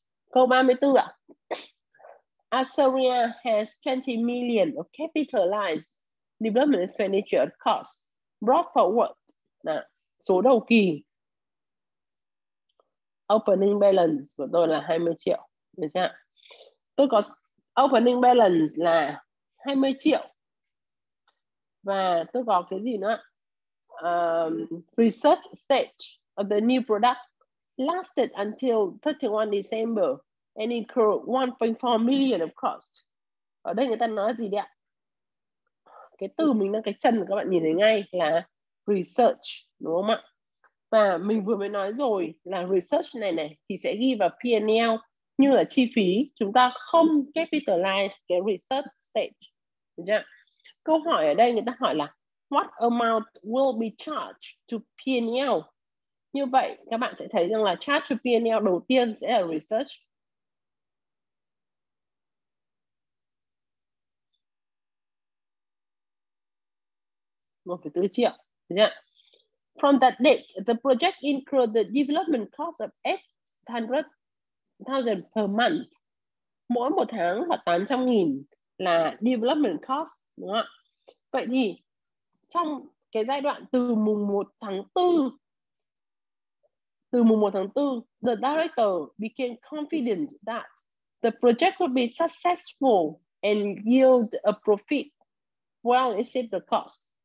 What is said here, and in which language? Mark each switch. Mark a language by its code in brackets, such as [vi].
[vi] Câu 34 ạ. [en] Asaria has 20 million of capitalized development expenditure cost brought forward. [vi] Nào, số đầu kỳ. Opening balance của tôi là 20 triệu. Được chưa? Tôi có opening balance là 20 triệu. Và tôi có cái gì nữa? [en] Research stage of the new product lasted until 31 December. And incur 1.4 million of cost. [vi] Ở đây người ta nói gì đấy ạ? Cái từ mình đang cái chân các bạn nhìn thấy ngay là research, đúng không ạ? Và mình vừa mới nói rồi là research này này thì sẽ ghi vào P&L như là chi phí. Chúng ta không capitalize cái research stage. Được chưa? Câu hỏi ở đây người ta hỏi là [en] what amount will be charged to P&L? [vi] Như vậy các bạn sẽ thấy rằng là charge to P&L đầu tiên sẽ là research. 1,4 triệu. [en] From that date, the project incurred the development cost of 800,000 per month. [vi] Mỗi một tháng là 800.000 là development cost, đúng không ạ? Vậy thì trong cái giai đoạn từ mùng 1 tháng 4, [en] từ mùng 1 tháng 4, the director became confident that the project would be successful and yield a profit well exceed the cost.